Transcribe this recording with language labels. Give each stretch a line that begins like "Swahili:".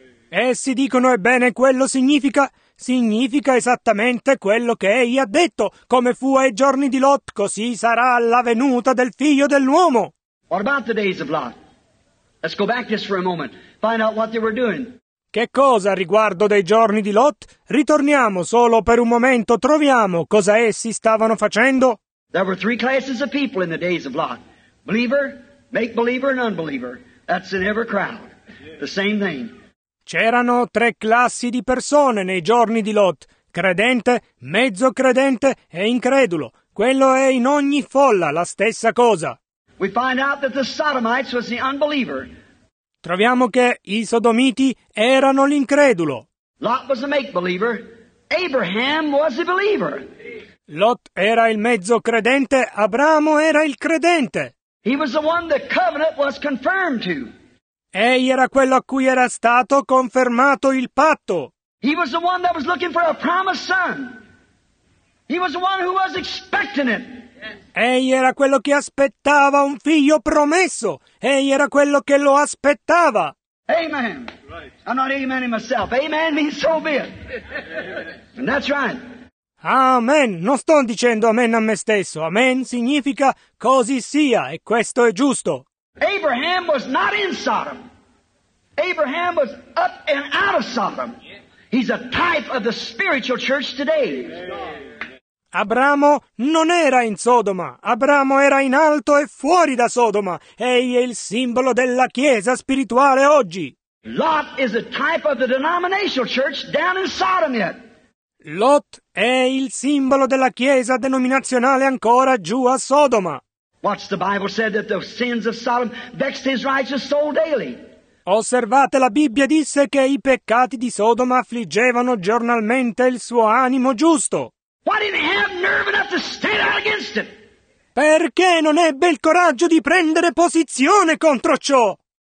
Italian: Essi dicono, ebbene, quello significa, significa esattamente quello che egli ha detto, come fu ai giorni di Lot, così sarà alla venuta del Figlio dell'uomo.
English: What about the days of Lot? Let's go back just for a moment, find out what they were doing.
Italian: Che cosa riguardo dei giorni di Lot? Ritorniamo solo per un momento, troviamo cosa essi stavano facendo.
English: There were three classes of people in the days of Lot. Believer, make-believer and unbeliever. That's in every crowd. The same thing.
Italian: C'erano tre classi di persone nei giorni di Lot. Credente, mezzo credente e incredulo. Quello è in ogni folla la stessa cosa.
English: We find out that the Sodomites was the unbeliever.
Italian: Troviamo che i Sodomiti erano l'incredulo.
English: Lot was the make-believer. Abraham was the believer.
Italian: Lot era il mezzo credente, Abramo era il credente.
English: He was the one the covenant was confirmed to.
Italian: Egli era quello a cui era stato confermato il patto.
English: He was the one that was looking for a promised son. He was the one who was expecting it.
Italian: Egli era quello che aspettava un figlio promesso. Egli era quello che lo aspettava.
English: Amen. Right. I'm not amening myself. Amen means so be it. And that's right. Amen.
Italian: Non sto dicendo amen a me stesso. Amen significa così sia, e questo è giusto.
English: Abraham was not in Sodom. Abraham was up and out of Sodom. He's a type of the spiritual church today.
Italian: Abramo non era in Sodoma. Abramo era in alto e fuori da Sodoma. Egli è il simbolo della chiesa spirituale oggi.
English: Lot is a type of the denominational church down in Sodom yet.
Italian: Lot è il simbolo della chiesa denominazionale ancora giù a Sodoma.
English: Watch the Bible said that the sins of Sodom vexed his righteous soul daily.
Italian: Osservate, la Bibbia disse che i peccati di Sodoma affliggevano giornalmente il suo animo giusto.
English: Why didn't he have nerve enough to stand out against it?
Italian: Perché non ebbe il coraggio di prendere posizione contro ciò?